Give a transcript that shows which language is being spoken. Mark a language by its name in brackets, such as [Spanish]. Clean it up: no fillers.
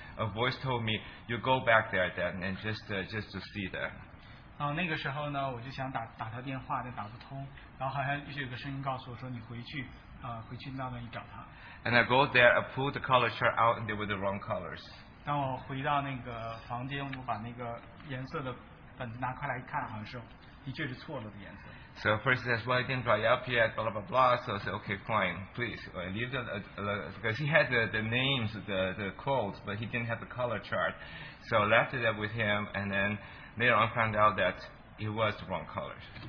[English] A voice told me, you go back there then, and just to see that. [Chinese] 那个时候呢 我就想打他电话 但打不通 然后好像就有个声音告诉我说你回去 回去那边找他 [English] And I go there, I pull the color chart out and they were the wrong colors. [Chinese] 当我回到那个房间 我把那个颜色的本拿开来看 好像是的确是错了的颜色 [English] So first says, well, I didn't dry up yet, blah blah blah. So I said, okay, fine, please. I leave because he had the names, the codes, but he didn't have the color chart. So I left it up with him and then later on, found out that it was the wrong colors.